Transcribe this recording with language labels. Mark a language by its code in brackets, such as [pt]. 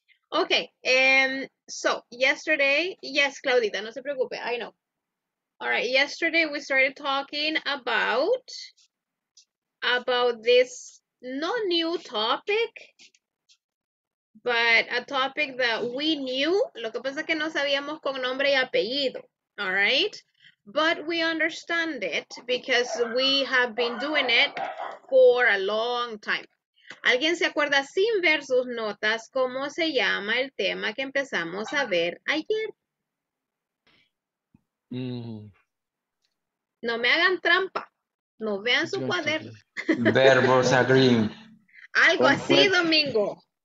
[en] Okay, so yesterday, yes, Claudita, [es] no se preocupe, [en] I know. All right, yesterday we started talking about this not new topic, but a topic that we knew. [es] Lo que pasa es que no sabíamos con nombre y apellido, [en] all right? But we understand it because we have been doing it for a long time. [es] ¿Alguien se acuerda sin ver sus notas cómo se llama el tema que empezamos a ver ayer? No me hagan trampa. No vean su cuaderno. Verbos agreeing. Algo así, Domingo.